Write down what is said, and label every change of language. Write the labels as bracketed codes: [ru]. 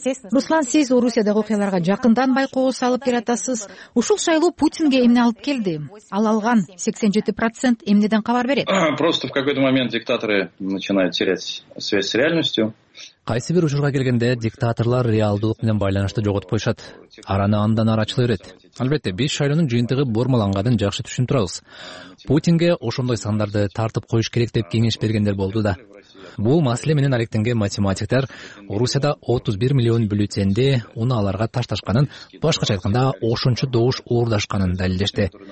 [ky] Руслан, сиз Орусиядагы окуяларга жакындан байкоо салып келатасыз. Ушул шайлоо Путинге эмне алып келди? Ал алган 87% эмнеден кабар берет? [ru] Просто в какой-то момент диктаторы начинают терять связь с реальностью. [ky] Кайсы бир учурга келгенде диктаторлор реалдык менен байланышты жоготуп коюшат. Араны андан ары ачыла берет. Албетте, биз шайлоонун жыйынтыгы бормаланганын жакшы түшүнүп турабыз. Путинге ошондой сандарды тартып коюш керек деп кеңеш бергендер болду да. Бул маселе менен алектенген математиктер Орусияда 31 миллион бюллетенди унааларга ташташканын, башкача айтканда ошончо добуш уурдашканын далилдешти.